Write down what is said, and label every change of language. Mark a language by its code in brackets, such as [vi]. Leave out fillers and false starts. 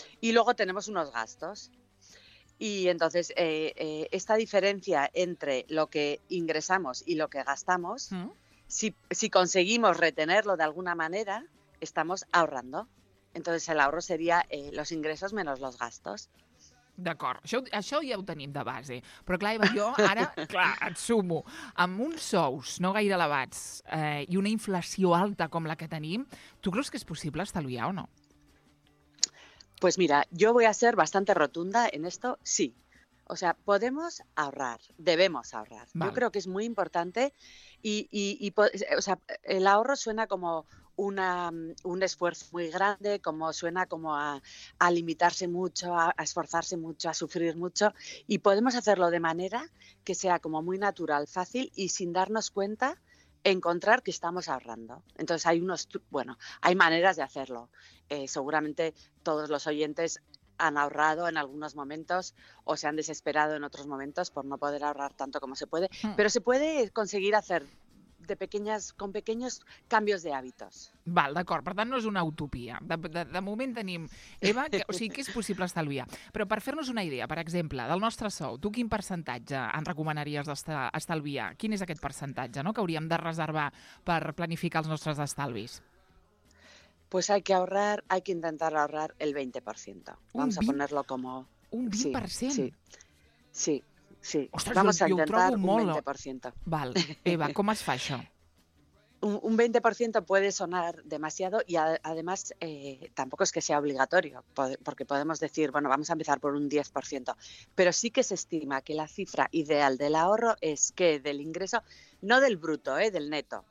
[es] Y luego tenemos unos gastos. Y entonces, esta diferencia entre lo que ingresamos y lo que gastamos, si conseguimos retenerlo de alguna manera, estamos ahorrando. Entonces el ahorro sería los ingresos menos los gastos. [ca] D'acord. Això ja ho tenim de base. Però clar, Eva, jo ara, clar, et sumo. Amb uns sous no gaire elevats i una inflació alta com la que tenim, tu creus que és possible estalviar o no? [es] Pues mira, yo voy a ser bastante rotunda en esto, sí. O sea, podemos ahorrar, debemos ahorrar. Vale. Yo creo que es muy importante y o sea, el ahorro suena como un esfuerzo muy grande, como suena como a limitarse mucho, a esforzarse mucho, a sufrir mucho, y podemos hacerlo de manera que sea como muy natural, fácil y sin darnos cuenta encontrar que estamos ahorrando. Entonces hay unos, bueno, hay maneras de hacerlo. Seguramente todos los oyentes han ahorrado en algunos momentos o se han desesperado en otros momentos por no poder ahorrar tanto como se puede, pero se puede conseguir hacer de pequeñas, con pequeños cambios de hábitos. [ca] Val, d'acord. Per tant, no és una utopia. De moment tenim, Eva, que és possible estalviar. Però per fer-nos una idea, per exemple, del nostre sou, tu quin percentatge en recomanaries estalviar? Quin és aquest percentatge, no?, que hauríem de reservar per planificar els nostres estalvis? [es] Pues hay que ahorrar, hay que intentar ahorrar el 20%. Vamos a ponerlo como... [ca] Un 20%? [es] Sí, sí. Sí, [ca] ostres, [es] vamos a intentar [ca] molt... [es] un 20%. [ca] Val. Eva, ¿cómo es fa això? [es] Un 20% puede sonar demasiado y además tampoco es que sea obligatorio, porque podemos decir, bueno, vamos a empezar por un 10%, pero sí que se estima que la cifra ideal del ahorro es que del ingreso, no del bruto, del neto.